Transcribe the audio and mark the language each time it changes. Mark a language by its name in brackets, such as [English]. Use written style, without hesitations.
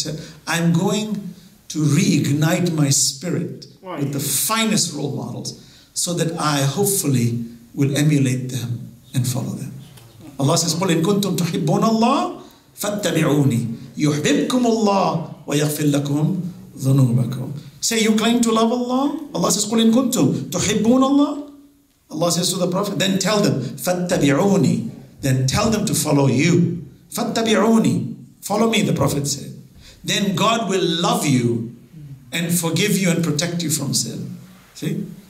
[English] Said, I'm going to reignite my spirit with the finest role models so that I hopefully will emulate them and follow them. Allah says, [Arabic] قُلْ إِن كُنْتُمْ تُحِبُّونَ اللَّهِ فَاتَّبِعُونِي يُحْبِبْكُمُ اللَّهِ وَيَغْفِرْ لَكُمْ ذُنُوبَكُمْ. [English] Say, you claim to love Allah? Allah says, [Arabic] قُلْ إِن كُنْتُمْ تُحِبُّونَ اللَّهِ. [English] Allah says to the Prophet, then tell them, [Arabic] فَاتَّبِعُونِي. [English] Then tell them to follow you. [Arabic] فَاتَّبِعُونِي. [English] Follow me, the Prophet said. Then God will love you and forgive you and protect you from sin. See?